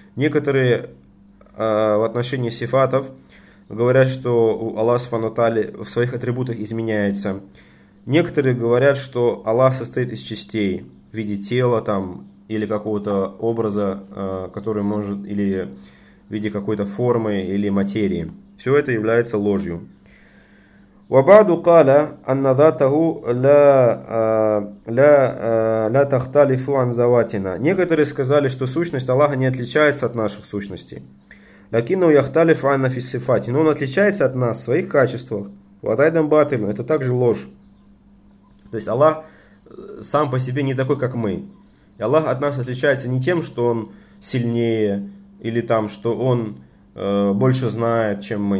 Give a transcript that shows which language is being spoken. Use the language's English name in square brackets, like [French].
[Russian] Некоторые в отношении сифатов говорят, что Аллах субхана тааля в своих атрибутах изменяется. Некоторые говорят, что Аллах состоит из частей в виде тела там, или какого-то образа, который может, или в виде какой-то формы или материи. Все это является ложью. [Arabic] وبعض قال أن ذاته لا لا لا تختلف عن ذواتنا. [Russian] Некоторые сказали, что сущность Аллаха не отличается от наших сущностей. [Arabic] لكنه يختلف عن في الصفات. [Russian] Но он отличается от нас в своих качествах. Вот [Arabic] айдам батыль. [Russian] Это также ложь. То есть Аллах сам по себе не такой, как мы. И Аллах от нас отличается не тем, что он сильнее или там, что он больше знает, чем мы.